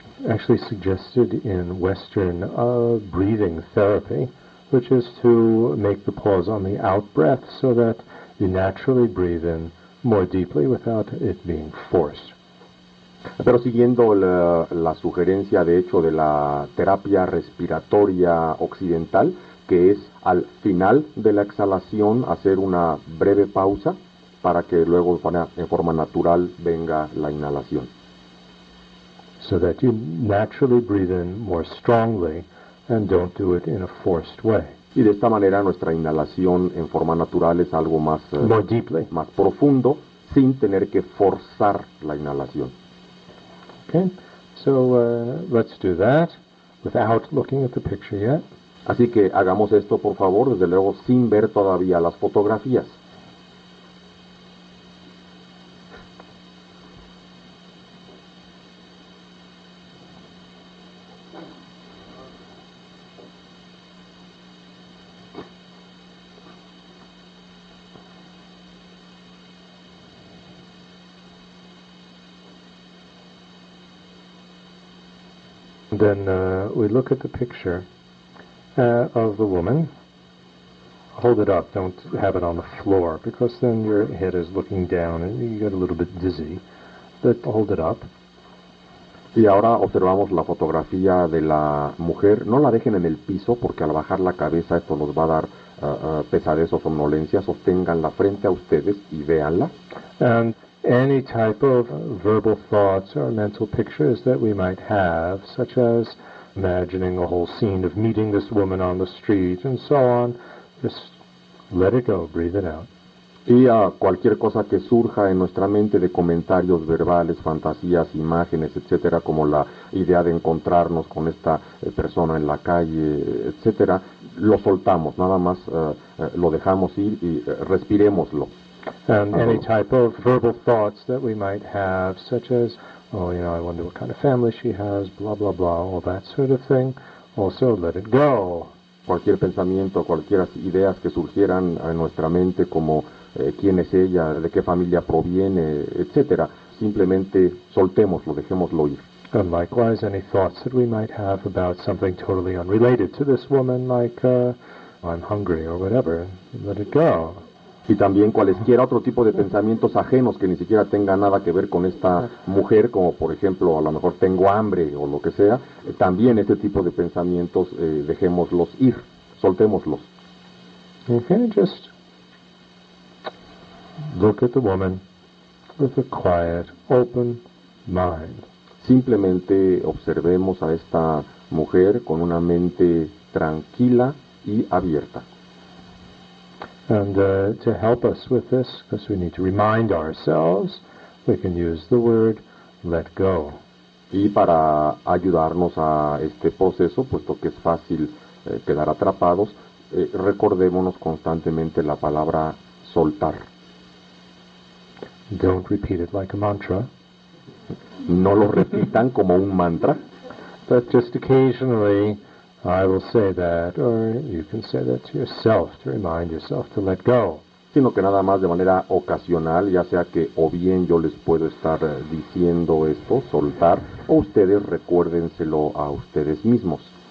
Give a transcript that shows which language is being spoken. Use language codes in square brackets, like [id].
[en] actually suggested in Western breathing therapy, which is to make the pause on the out-breath so that you naturally breathe in more deeply without it being forced. [es] Pero siguiendo la sugerencia, de hecho, de la terapia respiratoria occidental, que es al final de la exhalación hacer una breve pausa para que luego en forma natural venga la inhalación. [en] So that you naturally breathe in more strongly and don't do it in a forced way. [es] Y de esta manera nuestra inhalación en forma natural es algo más [en] more deeply, [es] más profundo, sin tener que forzar la inhalación. [en] Okay, so let's do that without looking at the picture yet. [es] Así que hagamos esto, por favor, desde luego sin ver todavía las fotografías. [en] Then we look at the picture of the woman. Hold it up, don't have it on the floor, because then your head is looking down and you get a little bit dizzy. But hold it up. [es] Y ahora observamos la fotografía de la mujer. No la dejen en el piso, porque al bajar la cabeza esto nos va a dar pesadez o somnolencia. Sosténganla frente a ustedes y véanla. [en] And any type of verbal thoughts or mental pictures that we might have, such as imagining a whole scene of meeting this woman on the street and so on, just let it go, breathe it out. [es] Y a cualquier cosa que surja en nuestra mente de comentarios verbales, fantasías, imágenes, etcétera, como la idea de encontrarnos con esta persona en la calle, etcétera, lo soltamos, nada más lo dejamos ir y respirémoslo. [en] And any type of verbal thoughts that we might have, such as, oh, you know, I wonder what kind of family she has, blah, blah, blah, all that sort of thing, also let it go. [es] Cualquier pensamiento, cualquier ideas que surgieran en nuestra mente, como quién es ella, de qué familia proviene, etcétera, simplemente soltémoslo, dejémoslo ir. [en] And likewise, any thoughts that we might have about something totally unrelated to this woman, like, I'm hungry or whatever, let it go. [es] Y también cualesquiera otro tipo de pensamientos ajenos que ni siquiera tenga nada que ver con esta mujer, como por ejemplo, a lo mejor tengo hambre o lo que sea, también este tipo de pensamientos dejémoslos ir, soltémoslos. [en] Okay, just look at the woman with a quiet, open mind. [es] Simplemente observemos a esta mujer con una mente tranquila y abierta. [en] And to help us with this, because we need to remind ourselves, we can use the word let go. [es] Y para ayudarnos a este proceso, puesto que es fácil quedar atrapados, recordémonos constantemente la palabra soltar. [en] Don't repeat it like a mantra. [es] No lo repitan como un mantra. [en] But just occasionally I will say that, or you can say that to yourself, to remind yourself to let go. [es] Sino que nada más de manera ocasional, ya sea que o bien yo les puedo estar diciendo esto, soltar, o ustedes recuérdenselo a ustedes mismos.